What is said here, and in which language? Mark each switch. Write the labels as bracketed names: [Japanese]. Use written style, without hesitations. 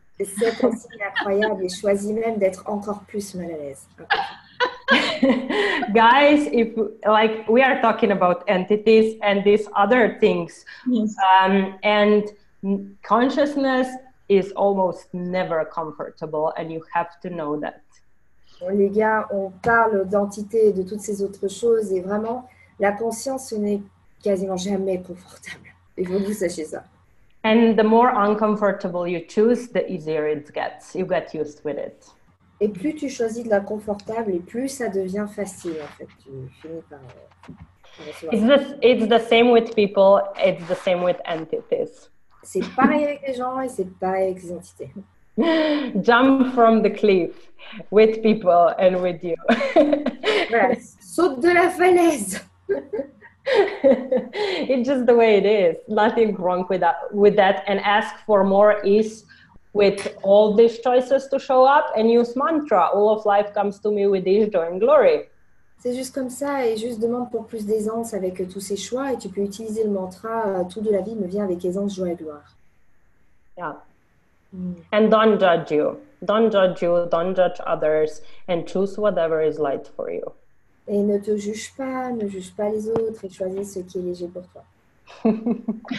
[French] Et c'est un signe incroyable, et choisis même d'être encore plus mal à l'aise. [English] Okay. Guys, if like we are talking about entities and these other things, yes. And consciousness is almost never comfortable, and you have to know that. [French] Bon, les gars, on parle d'entités et de toutes ces autres choses, et vraiment, la conscience, ce n'est quasiment jamais confortable. Il faut que vous sachiez ça. [English] And the more uncomfortable you choose, the easier it gets. You get used with it. [French] Et plus tu choisis de la confortable, et plus ça devient facile, en fait. Tu finis par recevoir. [English] It's the same with people, it's the same with entities. [French] C'est pareil avec les gens, et c'est pareil avec les entités. [English] Jump from the cliff, with people and with you. [French] Voilà, saute de la falaise. [English] It's just the way it is. Nothing wrong with that, and ask for more ease. With all these choices to show up and use mantra, all of life comes to me with ease, joy and glory. [French] C'est juste comme ça, et juste demande pour plus d'aisance avec tous ces choix, et tu peux utiliser le mantra, tout de la vie me vient avec aisance, joie et gloire. [English] Yeah. And don't judge you. Don't judge you, don't judge others, and choose whatever is light for you. [French] Et ne juge pas les autres, et choisis ce qui est léger pour toi.